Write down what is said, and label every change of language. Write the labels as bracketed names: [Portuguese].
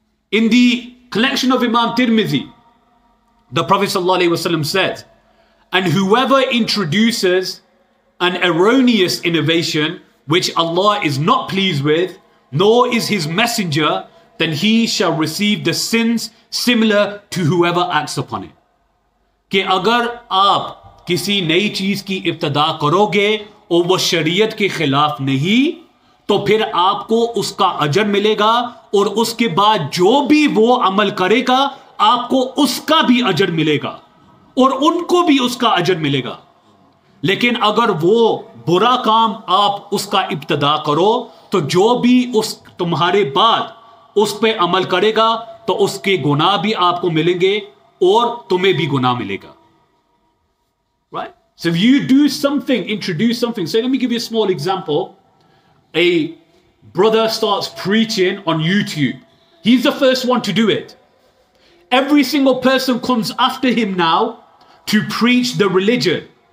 [English] In the collection of Imam Tirmidhi, the Prophet sallallahu alayhi wa sallam says, and whoever introduces an erroneous innovation which Allah is not pleased with, nor is his messenger, then he shall receive the sins similar to whoever acts upon it. [Urdu] کہ اگر آپ کسی نئی چیز کی ابتدا کرو گے اور وہ شریعت کے خلاف نہیں, تو پھر آپ کو اس کا اجر ملے گا, اور اس کے بعد جو بھی وہ عمل کرے گا آپ کو اس کا بھی اجر ملے گا اور ان کو بھی اس کا اجر ملے گا. لیکن اگر وہ برا کام آپ اس کا ابتدا کرو تو جو بھی اس تمہارے بعد اس پہ عمل کرے گا تو اس کے گناہ بھی آپ کو ملیں گے اور تمہیں بھی گناہ ملے گا. [English] Right? So if you do something, introduce something. So let me give you a small example. A brother starts preaching on YouTube. He's the first one to do it. Every single person comes after him now to preach the religion.